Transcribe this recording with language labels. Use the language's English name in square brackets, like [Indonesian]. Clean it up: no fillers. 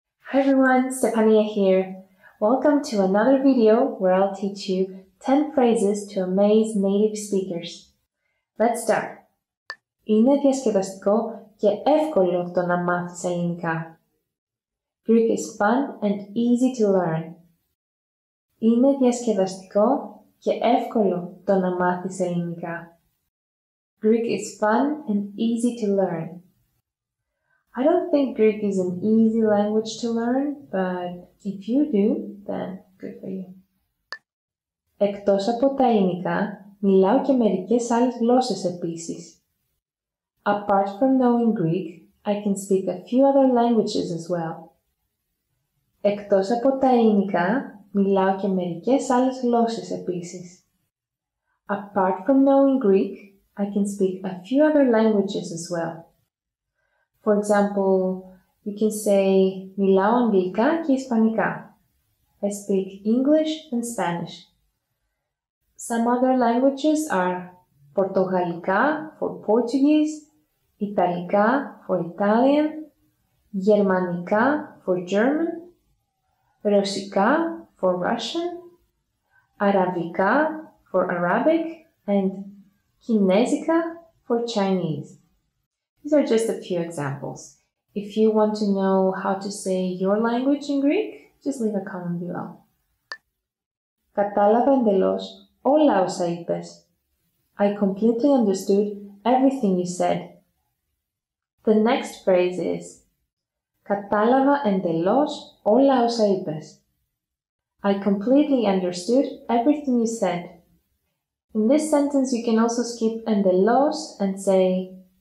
[English] Hi everyone, Stefania here. Welcome to another video where I'll teach you 10 phrases to amaze native speakers. Let's start. [Greek] Είναι διασκεδαστικό και εύκολο το να μάθεις ελληνικά. [English] Greek is fun and easy to learn. [Greek] Είναι διασκεδαστικό και εύκολο το να μάθεις ελληνικά. [English] Greek is fun and easy to learn. I don't think Greek is an easy language to learn, but if you do, then good for you. [Greek] Εκτός από τα ελληνικά, μιλάω και μερικές άλλες γλώσσες επίσης. [English] Apart from knowing Greek, I can speak a few other languages as well. [Greek] Εκτός από τα ελληνικά, μιλάω και μερικές άλλες γλώσσες επίσης. [English] Apart from knowing Greek, I can speak a few other languages as well. For example, you can say [Greek] μιλάω αγγλικά και ισπανικά. [English] I speak English and Spanish. Some other languages are Πορτογαλικά for Portuguese, Ιταλικά for Italian, Γερμανικά for German, Ρωσικά for Russian, Αραβικά for Arabic, and Κινέζικα for Chinese. These are just a few examples. If you want to know how to say your language in Greek, just leave a comment below. [Greek] Κατάλαβα εντελώς όλα όσα είπες. [English] I completely understood everything you said. The next phrase is [Greek] Κατάλαβα εντελώς όλα όσα είπες. [English] I completely understood everything you said. In this sentence, you can also skip εντελώς and say